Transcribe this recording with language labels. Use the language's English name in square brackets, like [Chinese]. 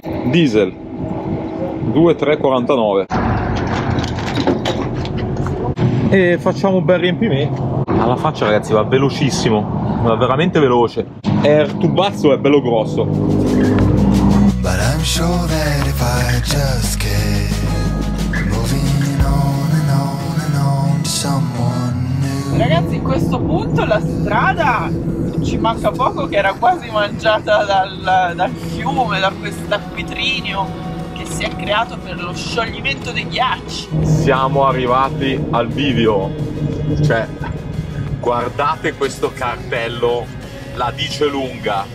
[Italian] Diesel 2349. E facciamo un bel riempimento. Alla faccia, ragazzi, va velocissimo, va veramente veloce. E il tubazzo è bello grosso. [English] But I'm sure that if I just keep moving on and on and on to someone new. [Italian] Ragazzi, a questo punto la strada ci manca poco, che era quasi mangiata dal fiume, da questo acquitrino che si è creato per lo scioglimento dei ghiacci. Siamo arrivati al bivio. Cioè, guardate questo cartello, la dice lunga.